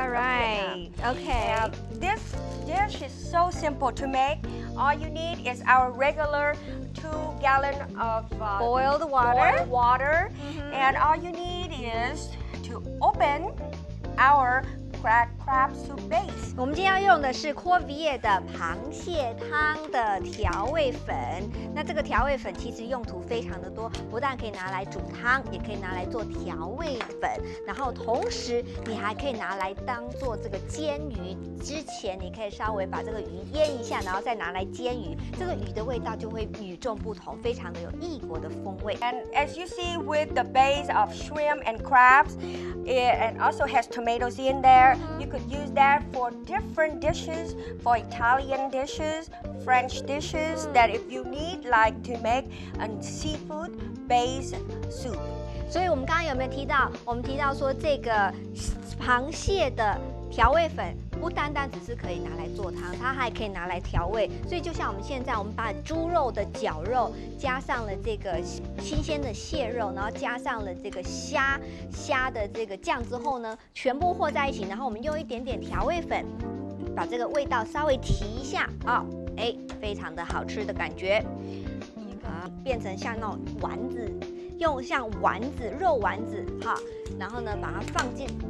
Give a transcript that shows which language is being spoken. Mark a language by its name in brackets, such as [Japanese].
[English] All right. Okay. This dish is so simple to make. All you need is our regular 2 gallon of boiled water. Boiled water. Mm-hmm. And all you need is to open our crab soup base. [Chinese] 我们今天要用的是阔比叶的螃蟹汤的调味粉。那这个调味粉其实用途非常的多，不但可以拿来煮汤，也可以拿来做调味粉。然后同时你还可以拿来当做这个煎鱼，之前你可以稍微把这个鱼腌一下，然后再拿来煎鱼，这个鱼的味道就会与众不同，非常的有异国的风味。 [English] And as you see with the base of shrimp and crabs, and also has tomatoes in there. You could use that for different dishes, for Italian dishes, French dishes, that if you need, like to make a seafood based soup. [Chinese] 所以我们刚刚有没有提到，我们提到说这个螃蟹的调味粉不单单只是可以拿来做汤，它还可以拿来调味。所以就像我们现在，我们把猪肉的绞肉加上了这个新鲜的蟹肉，然后加上了这个虾的这个酱之后呢，全部和在一起，然后我们用一点点调味粉，把这个味道稍微提一下啊，非常的好吃的感觉，变成像那种丸子，用像丸子肉丸子哈，然后呢把它放进。